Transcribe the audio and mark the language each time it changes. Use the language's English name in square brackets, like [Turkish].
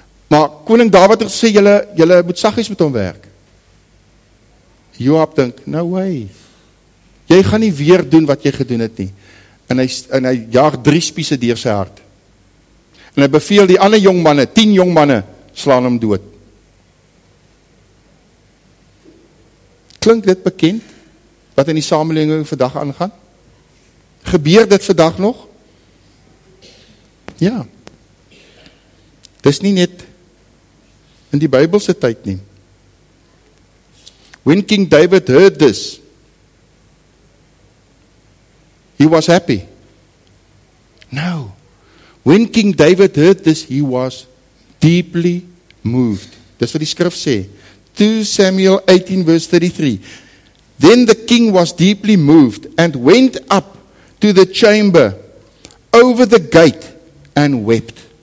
[Afrikaans] Maar koning Dawid het gesê, julle moet saggies met hom werk. Joab dink, [English] no way. [Afrikaans] Jy gaan nie weer doen wat jy gedoen het nie. En hy jaag 3 spiese deur sy hart. En hy beveel die ander jongmanne, 10 jongmanne, slaan hom dood. Klink dit bekend? Wat in die samelewing vandag aangaan? Gebeur dit vandag nog? Ja. Dis nie net in die Bybelse tyd nie. [English] When King David heard this, he was happy. No. When King David heard this, he was deeply moved. [Afrikaans] Dis wat die skrif sê. [English] 2 Samuel 18 verse 33. Then the king was deeply moved and went up to the chamber over the gate and wept.